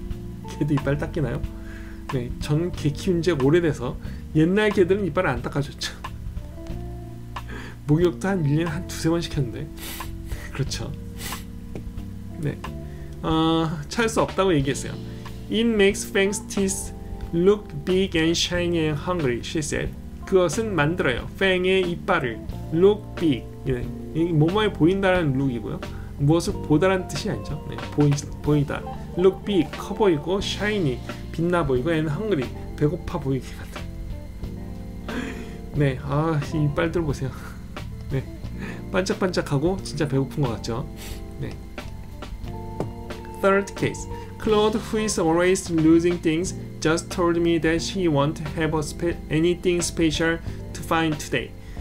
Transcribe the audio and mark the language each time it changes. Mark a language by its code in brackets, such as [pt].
[ko] 개도 이빨 닦이나요? 네. 전 개 키운 지 오래돼서 옛날 개들은 이빨을 안 닦아줬죠. 목욕도 한 1년에 한 두세 번 시켰는데. 그렇죠. 네, 찾을 수 없다고 얘기했어요. [en] It makes Fang's teeth look big and shiny and hungry, she said. [ko] 그것은 만들어요. Fang의 이빨을 [en] look big. [ko] 네. 뭐뭐에 보인다는 look이고요. 무엇을 보다라는 뜻이 아니죠. 네. 보이다. [en] Look big, [ko] 커 보이고 shiny, 빛나 보이고 and hungry, 배고파 보이게 만든. 네, 이 이빨들 보세요. 네, 반짝반짝하고 진짜 배고픈 것 같죠. [en] 네. Third case. Claude, who is always losing things, just told me that she won't have anything special to find today.